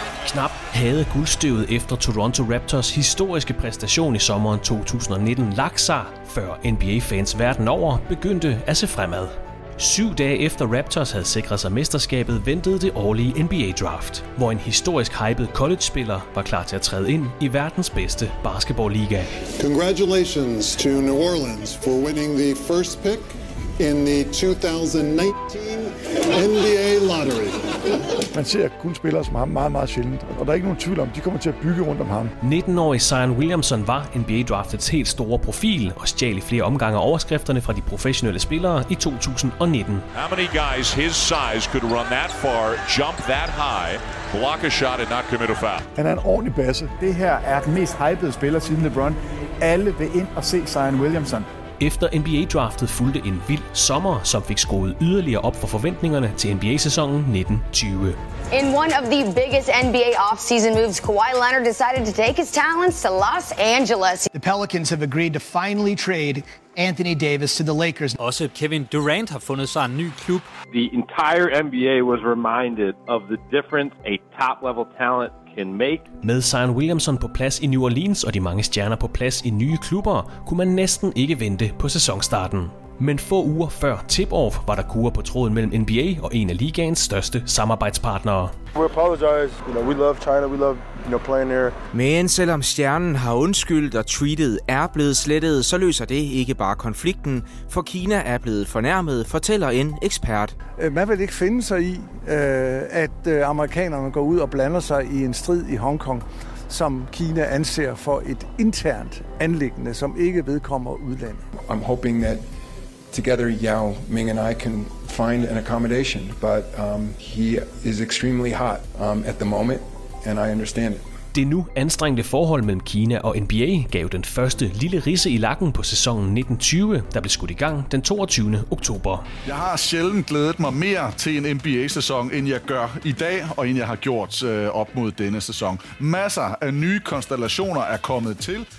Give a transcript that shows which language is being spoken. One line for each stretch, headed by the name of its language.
Danish: Knap havde guldstøvet efter Toronto Raptors historiske præstation i sommeren 2019 lagt sig, før NBA-fans verden over begyndte at se fremad. 7 dage efter Raptors havde sikret sig mesterskabet, ventede det årlige NBA-draft, hvor en historisk hyped college-spiller var klar til at træde ind i verdens bedste basketball-liga.
English: Congratulations to New Orleans for winning the first pick in the 2019 NBA lottery.
Danish: Man ser kun spillere som ham meget, meget sjældent, og der er ikke nogen tvivl om, de kommer til at bygge rundt om ham. 19-årig Zion Williamson var NBA-draftets helt store profil og stjal i flere omgange overskrifterne fra de professionelle spillere i 2019.
English: How many guys his size could run that far, jump that high, block a shot and not commit a foul?
Danish: Han er en ordentlig basse. Det her er den mest hypede spiller siden LeBron. Alle vil ind og se Zion Williamson. Efter NBA-draftet fulgte en vild sommer, som fik skruet yderligere op for forventningerne til NBA-sæsonen 1920.
English: In one of the biggest NBA offseason moves, Kawhi Leonard decided to take his talents to Los Angeles. The Pelicans have agreed to finally trade Anthony Davis to the Lakers.
Danish: Også Kevin Durant har fundet sig en ny klub.
English: The entire NBA was reminded of the difference a top-level talent.
Danish: Med Zion Williamson på plads i New Orleans og de mange stjerner på plads i nye klubber, kunne man næsten ikke vente på sæsonstarten. Men få uger før tip-off var der kurre på tråden mellem NBA og en af ligaens største samarbejdspartnere.
English: We apologize. You know, we love China. We love, you know, playing there.
Danish: Men selvom stjernen har undskyldt og tweetet er blevet slettet, så løser det ikke bare konflikten, for Kina er blevet fornærmet, fortæller en ekspert. Man vil ikke finde sig i, at amerikanerne går ud og blander sig i en strid i Hong Kong, som Kina anser for et internt anliggende, som ikke vedkommer udlandet.
English: I'm hoping that together Yao Ming and I can find an accommodation, but he is extremely hot at the moment, and I understand it.
Danish: Det nu anstrengte forhold mellem Kina og NBA gav den første lille risse i lakken på sæsonen 1920, der blev skudt i gang den 22. oktober. Jeg har sjældent glædet mig mere til en NBA-sæson, end jeg gør i dag, og end jeg har gjort op mod denne sæson. Masser af nye konstellationer er kommet til.